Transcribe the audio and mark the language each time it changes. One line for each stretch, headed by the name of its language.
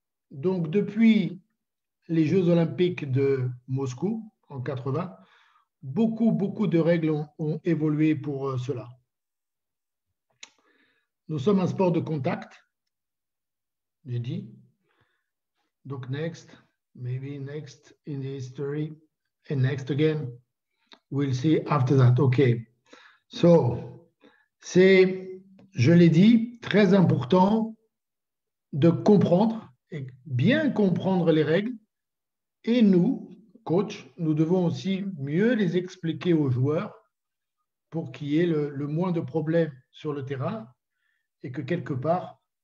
French: Donc, depuis les Jeux olympiques de Moscou en 80, beaucoup de règles ont évolué pour cela. Nous sommes un sport de contact, j'ai dit.
English: Donc, next, maybe next in the history, and next again, we'll see after that. OK.
French: So, c'est, je l'ai dit, très important de comprendre et bien comprendre les règles. Et nous, coach, nous devons aussi mieux les expliquer aux joueurs pour qu'il y ait le moins de problèmes sur le terrain et que quelque part,